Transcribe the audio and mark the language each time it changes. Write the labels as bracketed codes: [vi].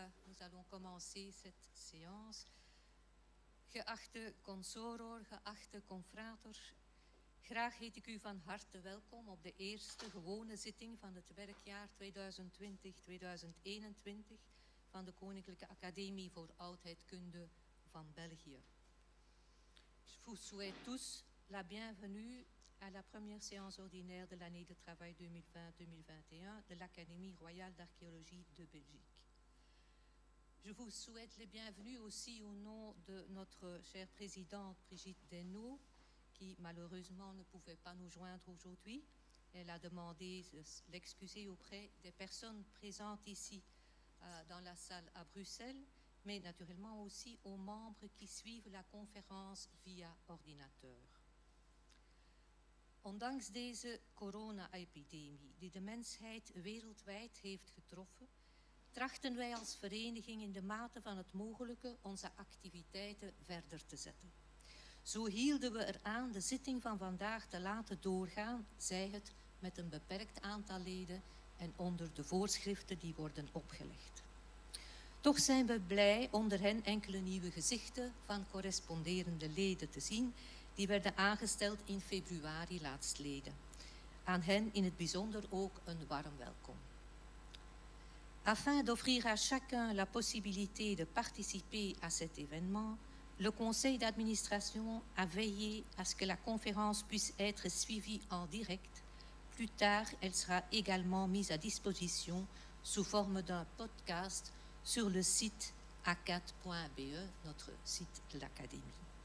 [fr] Nous allons commencer cette séance. [nl] Geachte consoror, geachte confrater, graag heet ik u van harte welkom op de eerste gewone zitting van het werkjaar 2020-2021 van de Koninklijke Academie voor Oudheidkunde van België. [fr] Je vous souhaite tous la bienvenue à la première séance ordinaire de l'année de travail 2020-2021 de l'Académie royale d'archéologie de Belgique. Je vous souhaite les bienvenus aussi au nom de notre chère présidente Brigitte Desnaux, qui malheureusement ne pouvait pas nous joindre aujourd'hui. Elle a demandé de l'excuser auprès des personnes présentes ici dans la salle à Bruxelles, mais naturellement aussi aux membres qui suivent la conférence via ordinateur. [nl] Ondanks deze corona-epidemie die de mensheid wereldwijd heeft getroffen, trachten wij als vereniging in de mate van het mogelijke onze activiteiten verder te zetten. Zo hielden we eraan de zitting van vandaag te laten doorgaan, zij het met een beperkt aantal leden en onder de voorschriften die worden opgelegd. Toch zijn we blij onder hen enkele nieuwe gezichten van corresponderende leden te zien, die werden aangesteld in februari laatstleden. Aan hen in het bijzonder ook een warm welkom. [fr] Afin d'offrir à chacun la possibilité de participer à cet événement, le conseil d'administration a veillé à ce que la conférence puisse être suivie en direct. Plus tard, elle sera également mise à disposition sous forme d'un podcast sur le site acat.be, notre site de l'Académie.